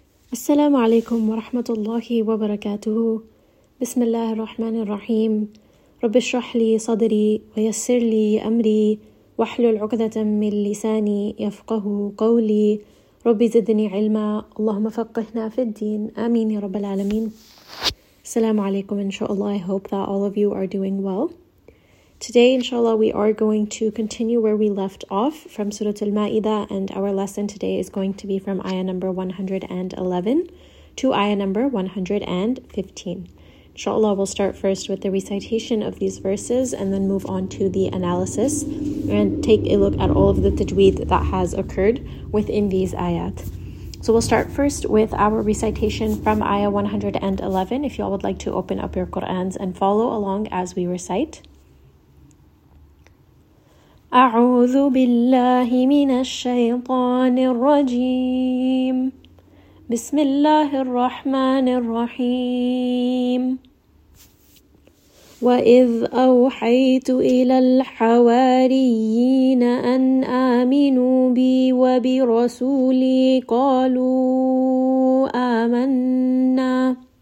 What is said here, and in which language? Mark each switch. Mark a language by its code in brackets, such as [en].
[ar] السلام عليكم ورحمة الله وبركاته. بسم الله الرحمن الرحيم. رب اشرح لي صدري ويسر لي أمري واحلل عقدة من لساني يفقه قولي. رب زدني علما، اللهم فقهنا في الدين، آمين يا رب العالمين. السلام عليكم. [en] إن شاء الله I hope that all of you are doing well. Today inshallah we are going to continue where we left off from Surah Al-Ma'idah, and our lesson today is going to be from ayah number 111 to ayah number 115. Inshallah we'll start first with the recitation of these verses and then move on to the analysis and take a look at all of the tajweed that has occurred within these ayat. So we'll start first with our recitation from ayah 111. If you all would like to open up your Qur'ans and follow along as we recite. [ar] أعوذ بالله من الشيطان الرجيم بسم الله الرحمن الرحيم وإذ أوحيت إلى الحواريين أن آمنوا بي وبرسولي قالوا آمنا